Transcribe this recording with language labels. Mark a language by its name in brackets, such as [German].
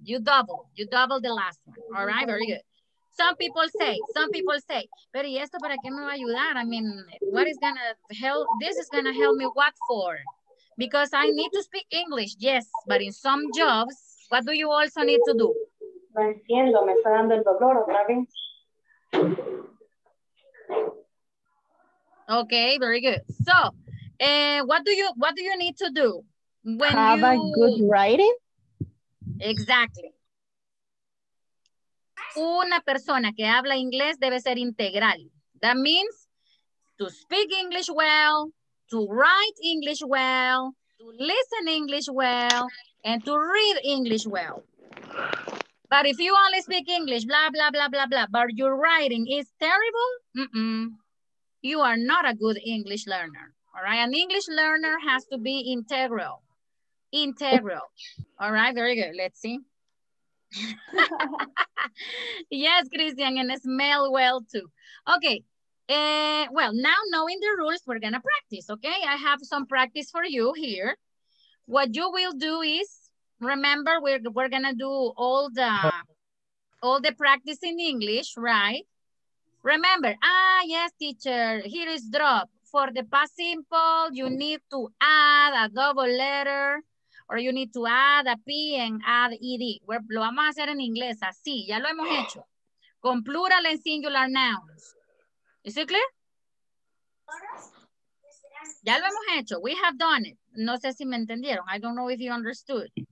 [English] You double the last one. All right, very good. Some people say, [Spanish] pero y esto para qué me va a ayudar? [English] I mean, what is gonna help? This is gonna help me what for? Because I need to speak English, yes. But in some jobs, what do you also need to do? [Spanish] No entiendo, me está dando el dolor otra vez. [English] Okay, very good. So, what do you need to do when you have a good writing? Exactly. [Spanish] Una persona que habla inglés debe ser integral. [English] That means to speak English well, to write English well, to listen English well, and to read English well. But if you only speak English, blah, blah, blah, blah, blah, but your writing is terrible, you are not a good English learner. All right, an English learner has to be integral. Integral. All right, very good. Let's see. Yes, Christian, and smell well too. Okay, well, now knowing the rules, we're going to practice, okay? I have some practice for you here. What you will do is, remember, we're going to do all the practice in English, right? Remember, yes, teacher, here is drop. For the past simple, you need to add a double letter or you need to add a P and add ED. [Spanish] Lo vamos a hacer en inglés, así, ya lo hemos hecho. [English] Con plural and singular nouns. Is it clear? [Spanish] Ya lo hemos hecho, [English] we have done it. [Spanish] No sé si me entendieron, [English] I don't know if you understood.